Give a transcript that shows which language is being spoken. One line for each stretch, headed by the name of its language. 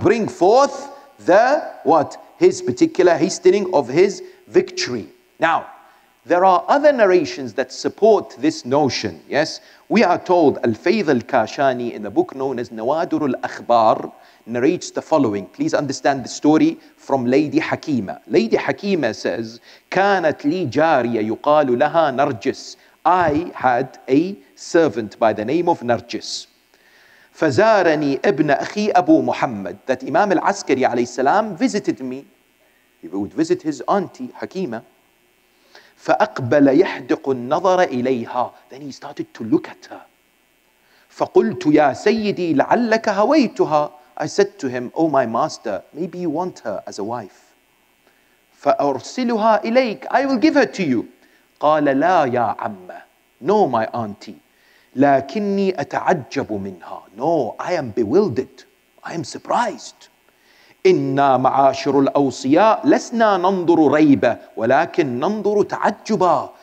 English: Bring forth the what? His particular hastening of his victory. Now, there are other narrations that support this notion. Yes, we are told Al-Faydh al-Kashani in a book known as Nawadur al-Akhbar narrates the following. Please understand the story from Lady Hakima. Lady Hakima says,
Arabic: كانت لي جارية يقال لها نرجس.
English: I had a servant by the name of Narjis.
Arabic: فزارني ابن أخي أبو محمد.
English: That Imam al-Askari
Arabic: عليه السلام
English: visited me. He would visit his auntie Hakima.
Arabic: فأقبل يحدق النظر إليها.
English: Then he started to look at her.
Arabic: فقلت يا سيدي لعلك هويتها.
English: I said to him, oh my master, maybe you want her as a wife.
Arabic: فَأَرْسِلُهَا إِلَيْكَ.
English: I will give her to you.
Arabic: قَالَ لَا يَا عَمَّ.
English: No, my auntie.
Arabic: لَكِنِّي أَتَعَجَّبُ مِنْهَا.
English: No, I am bewildered. I am surprised.
Arabic: إِنَّا مَعَاشِرُ الْأَوْصِيَاءِ لَسْنَا نَنْظُرُ رَيْبًا وَلَكِنْ نَنْظُرُ تَعَجُّبًا.